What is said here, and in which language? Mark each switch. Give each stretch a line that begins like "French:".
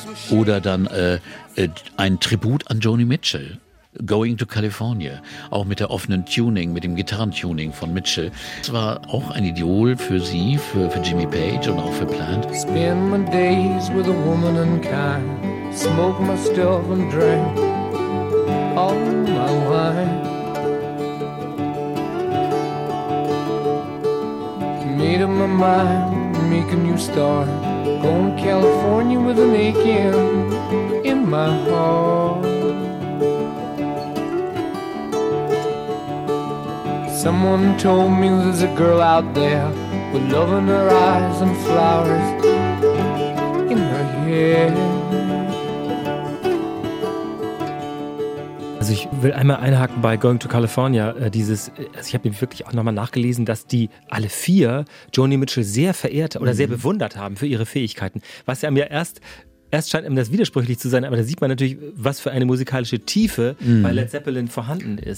German: Oder dann ein Tribut an Joni Mitchell, Going to California, auch mit der offenen Tuning, mit dem Gitarrentuning von Mitchell. Es war auch ein Idol für sie, für Jimmy Page und auch für Plant.
English: Spend my days with a woman and kind, smoke my stuff and drink all my wine. Made up my mind, make a new start. Going to California with an aching in my heart. Someone told me there's a girl out there with love in her eyes and flowers in her hair.
German: Also ich will einmal einhaken bei Going to California. Ich habe nämlich wirklich auch nochmal nachgelesen, dass die alle vier Joni Mitchell sehr verehrt oder sehr bewundert haben für ihre Fähigkeiten. Was ja mir erst erst scheint ihm das widersprüchlich zu sein, aber da sieht man natürlich, was für eine musikalische Tiefe bei Led Zeppelin vorhanden ist.